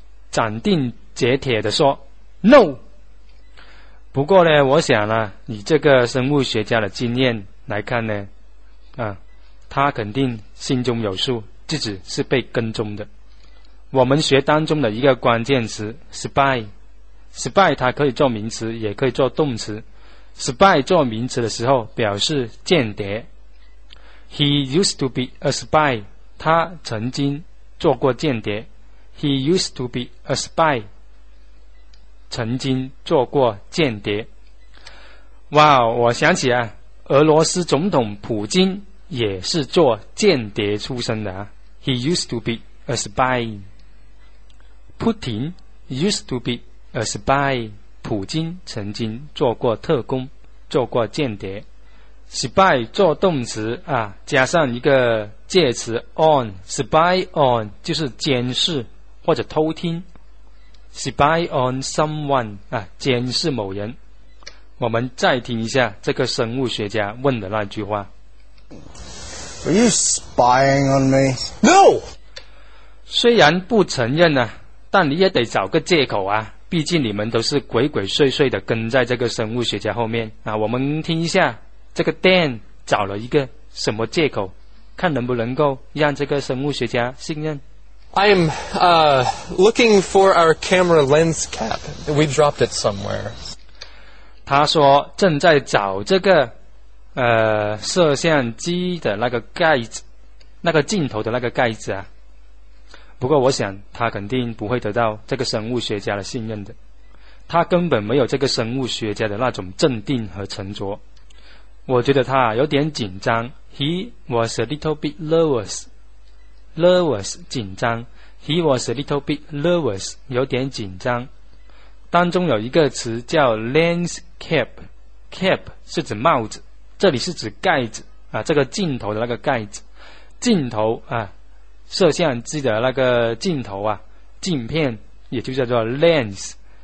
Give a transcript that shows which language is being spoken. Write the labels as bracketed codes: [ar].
[zh] 斩钉截铁地说 No。不过呢，我想呢，以这个生物学家的经验来看呢，他肯定心中有数，自己是被跟踪的。我们学当中的一个关键词 spy， spy 它可以做名词也可以做动词。 spy 做名词的时候表示间谍。 [en] He used to be a spy， [zh] 他曾经做过间谍。 [en] He used to be a spy， [zh] 曾经做过间谍。哇，我想起啊，俄罗斯总统普京也是做间谍出身的啊。 [en] He used to be a spy。 Putin used to be a spy， [zh] 普京曾经做过特工，做过间谍。 spy 做动词啊，加上一个介词 on， spy on 就是监视或者偷听。 spy on someone 啊，监视某人。我们再听一下这个生物学家问的那句话。 [en] Are you spying on me? No! [zh] 虽然不承认啊，但你也得找个借口啊，毕竟你们都是鬼鬼祟祟的跟在这个生物学家后面啊。我们听一下这个 Dan 找了一个什么借口，看能不能够让这个生物学家信任。 [en] I'm looking for our camera lens cap. We dropped it somewhere. [zh] 他说正在找这个摄像机的那个盖子，那个镜头的那个盖子啊。不过我想他肯定不会得到这个生物学家的信任的，他根本没有这个生物学家的那种镇定和沉着。我觉得他有点紧张。 [en] He was a little bit nervous. Nervous [zh] 紧张。 [en] He was a little bit nervous， [zh] 有点紧张。当中有一个词叫 lens cap， cap 是指帽子，这里是指盖子啊，这个镜头的那个盖子，镜头啊，摄像机的那个镜头啊，镜片也就叫做 lens。